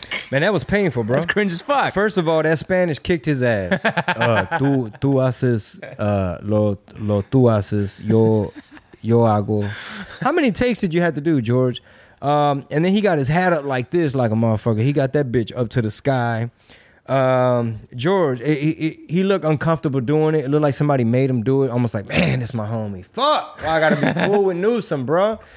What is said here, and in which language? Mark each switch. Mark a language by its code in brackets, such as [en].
[en] Man, that was painful, bro. That's cringe as fuck. First of all, that Spanish kicked his ass. [es] tú haces lo tú haces, yo hago. [en] How many takes did you have to do, George? And then he got his hat up like this, like a motherfucker. He got that bitch up to the sky. George, he looked uncomfortable doing it. It looked like somebody made him do it. Almost like, man, this my homie. Fuck. Well, I got to be cool with Newsom, bro.